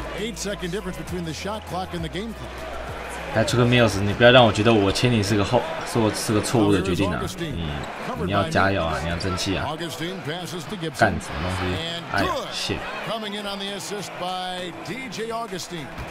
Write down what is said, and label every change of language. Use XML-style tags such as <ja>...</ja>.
<en>8 second difference between the shot clock and the game clock.</en> <zh>来出个 Mills， 你不要让我觉得我签你是个后，是个错误的决定啊！你要加油啊！你要争气啊！干什么东西？哎呀 ，shit！</zh> <en>Coming in on the assist by DJ Augustine.</en>